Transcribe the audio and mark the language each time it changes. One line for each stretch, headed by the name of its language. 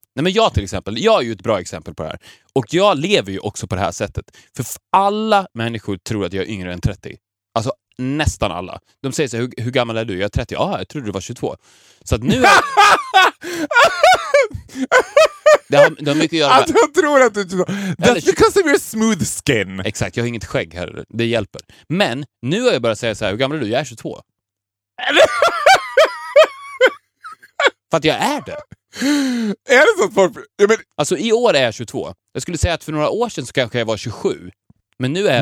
Swedish: Nej, men jag till exempel. Jag är ju ett bra exempel på det här. Och jag lever ju också på det här sättet. För alla människor tror att jag är yngre än 30. Alltså, nästan alla. De säger så här, hur gammal är du? Jag är 30. Ja, jag trodde du var 22. Så att nu... Det har mycket att göra med. Jag tror att du...
English: That's because of your smooth skin.
Swedish: Exakt, jag har inget skägg här. Det hjälper. Men, nu har jag börjat säga så här, hur gammal är du? Jag är 22. För att jag är det. Är det så att folk... Ja, men... Alltså, i år är jag 22. Jag skulle säga att för några år sedan så kanske jag var 27. Men nu är jag